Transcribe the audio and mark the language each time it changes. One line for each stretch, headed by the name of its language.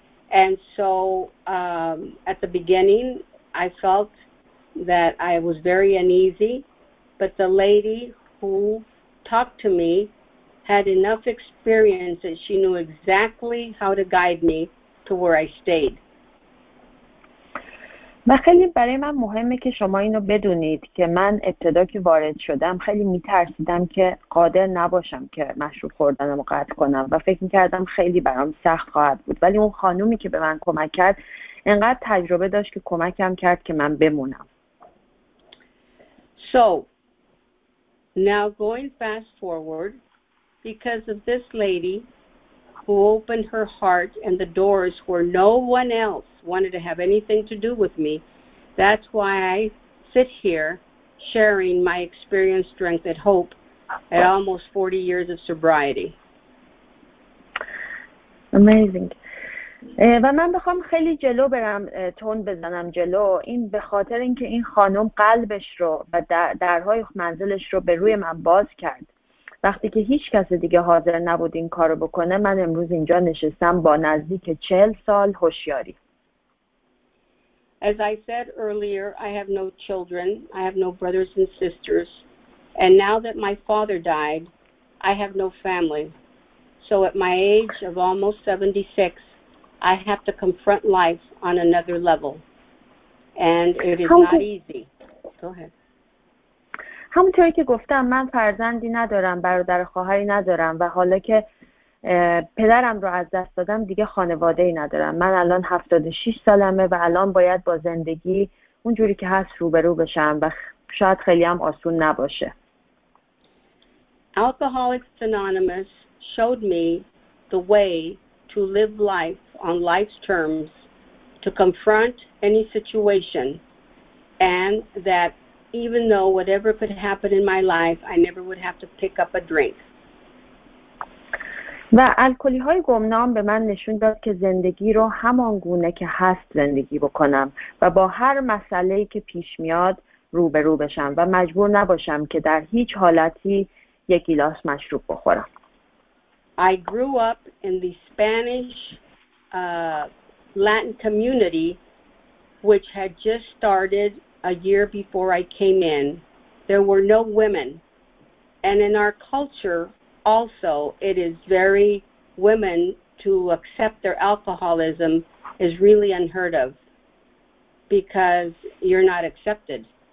English: And so at the beginning, I felt that I was very uneasy, but the lady who talked to me had enough experience that she knew exactly how to guide me to where I stayed.
Persian: و خیلی برای من مهمه که شما اینو بدونید که من ابتدا که وارد شدم خیلی میترسیدم که قادر نباشم که مشروب خوردنم رو قطع کنم و فکر میکردم خیلی برام سخت خواهد بود ولی اون خانومی که به من کمک کرد انقدر تجربه داشت که کمکم کرد که من بمونم.
English: So, now going fast forward, because of this lady who opened her heart and the doors where no one else wanted to have anything to do with me. That's why I sit here sharing my experience, strength, and hope at almost 40 years of sobriety. Amazing.
Persian: و من بخوام خیلی جلو برم تون بزنم جلو این به خاطر اینکه این خانم قلبش رو و درهای منزلش رو به روی من باز کرد. وقتی که هیچ کس دیگه حاضر نبود این کارو بکنه من امروز اینجا نشستم با نزدیک 40 سال هوشیاری.
English: As I said earlier, I have no children, I have no brothers and sisters, and now that my father died, I have no family. So at my age of almost 76, I have to confront life on another level. And it is not easy. Go ahead.
Persian: همونطوری که گفتم من فرزندی ندارم برادر خواهری ندارم و حالا که پدرم رو از دست دادم دیگه خانواده ای ندارم من الان 76 سالمه و الان باید با زندگی اونجوری که هست روبرو بشم و شاید خیلی هم آسون نباشه.
English: Alcoholics Anonymous showed me the way to live life on life's terms, to confront any situation, and that even though whatever could happen in my life, I never would have to pick up a drink.
Persian: و الکلی‌های گمنام به من نشون داد که زندگی رو همان گونه که هست زندگی بکنم و با هر مسئله‌ای که پیش میاد روبرو بشم و مجبور نباشم که در هیچ حالتی یک گلاس مشروب بخورم.
English: I grew up in the Spanish Latin community which had just started a year before I came in, there were no women. And in our culture also, it is very women to accept their alcoholism is really unheard of because you're not accepted.